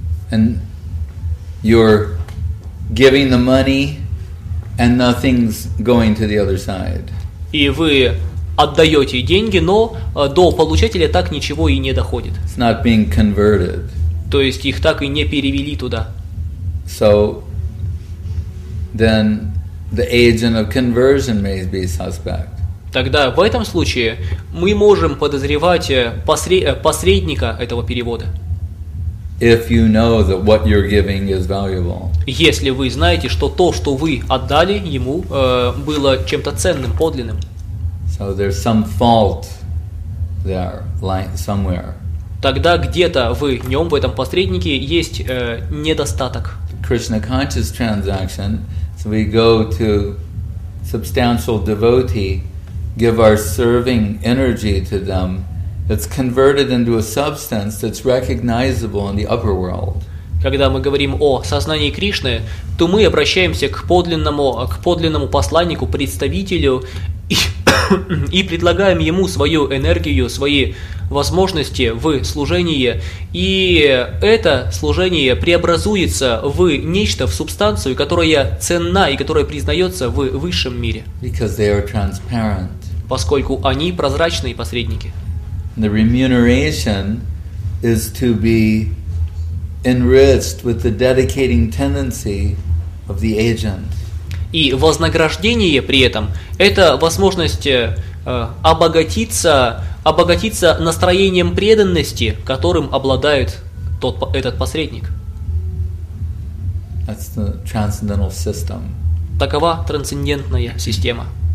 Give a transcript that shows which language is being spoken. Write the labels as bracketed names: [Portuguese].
[English] And you're giving the money and nothing's going to the other side. [Russian] И вы отдаете деньги, но до получателя так ничего и не доходит. [English] It's not being converted. [Russian] То есть их так и не перевели туда. [English] So then the agent of conversion may be suspect. [Russian] Тогда в этом случае мы можем подозревать посредника этого перевода. [English] If you know that what you're giving is valuable. [Russian] Если вы знаете, что то, что вы отдали ему, было чем-то ценным, подлинным. [English] So there's some fault there, like somewhere. [Russian] Тогда где-то в нем, в этом посреднике, есть недостаток. [English] Krishna conscious transaction, so we go to substantial devotee, give our serving energy to them, it's converted into a substance that's recognizable in the upper world. [Russian] Когда мы говорим о сознании Кришны, то мы обращаемся к подлинному посланнику, представителю и предлагаем ему свою энергию, свои возможности в служении, и это служение преобразуется в нечто, в субстанцию, которая ценна и которая признается в высшем мире. [English] Because they are transparent. [Russian] Поскольку они прозрачные посредники. [English] The remuneration is to be enriched with the dedicating tendency of the agent. [Russian] И вознаграждение при этом – это возможность обогатиться настроением преданности, которым обладает этот посредник. [English] That's the transcendental system. [Russian] Такова трансцендентная система.